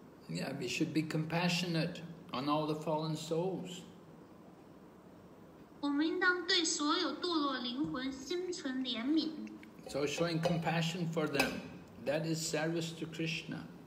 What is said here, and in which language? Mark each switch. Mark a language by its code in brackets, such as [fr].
[en] Yeah, we should be compassionate on all the fallen souls. [zh] 我们应当对所有堕落灵魂心存怜悯。 [en] So showing compassion for them, that is service to Krishna.